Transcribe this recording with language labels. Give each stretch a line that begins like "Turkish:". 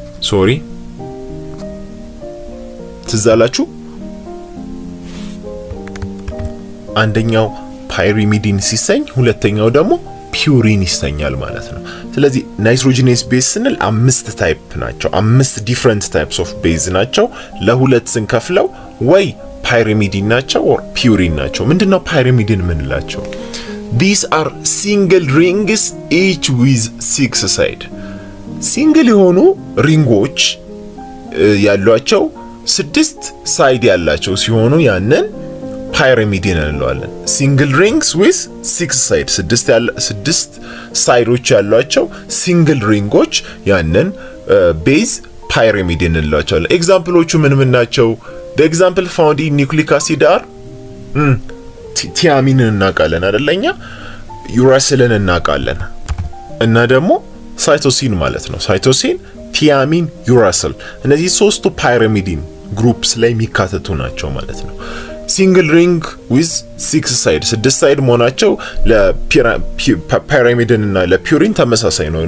Amharic: ሶሪ ትዛላችሁ አንደኛው ፓይሪሚዲን ሲሰኝ ሁለተኛው ደግሞ ፒዩሪን ይሰኛል ማለት ነው ስለዚህ ናይትሮጂኒየስ ቤዝ ስንል አምስት ታይፕ ናቸው አምስት ዲፈረንት ታይፕስ ኦፍ ቤዝ ናቸው ለሁለት ስንከፍለው ወይ pyrimidine ናቸው or purine ናቸው? ምንድነው pyrimidine ምንላቸው?
English: These are single rings each with six sides.
Amharic: Single የሆኑ ሪንጎች ያሏቸው ስድስት ሳይድ ያላቸው ሲሆኑ ያንን pyrimidine እንለዋለን.
English: Single rings with six sides.
Amharic: ስድስት ያለ ስድስት ሳይዶች ያሏቸው single ringsዎች ያንን base pyrimidine እንለዋለን. ኤግዛምፕሎቹ ምን ምን ናቸው?
English: The example found in nucleic acid are thiamine
Amharic: እናቃለን አይደለኛ? Uracilin እናቃለን. እና ደግሞ cytosine ማለት ነው. Cytosine, thiamine, uracil. እነዚህ ሶስቱ pyrimidine groups ላይ የሚካተቱ ናቸው ማለት ነው. Single ring with six sides. ስድስት ሳይድ መሆናቸው ለፒራሚድን እና ለፒዩሪን ተመሳሳይ ነው.